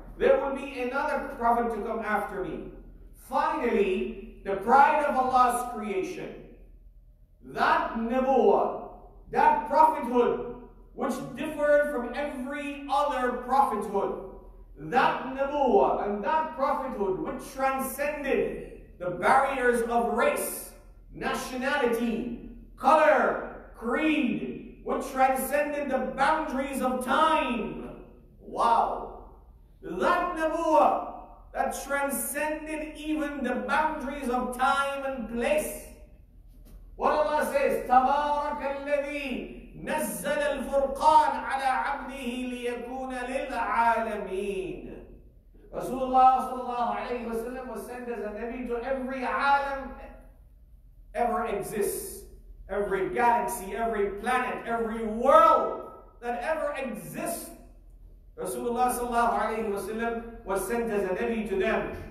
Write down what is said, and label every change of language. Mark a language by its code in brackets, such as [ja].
[en] There will be another prophet to come after me. Finally, the pride of Allah's creation, that nabuwah, that prophethood, which differed from every other prophethood, that nabuwah and that prophethood which transcended the barriers of race, nationality, color, creed, which transcended the boundaries of time. Wow. That nabuwah that transcended even the boundaries of time and place. What Allah says, [ar] تَبَارَكَ الَّذِي نَزَّلَ الْفُرْقَانَ عَلَىٰ عَبْدِهِ لِيَكُونَ لِلْعَالَمِينَ. [en] Rasulullah sallallahu alayhi wa sallam was sent as a Nabi to every alam ever exists. Every galaxy, every planet, every world that ever exists. Rasulullah sallallahu alayhi wa sallam was sent as a Nabi to them.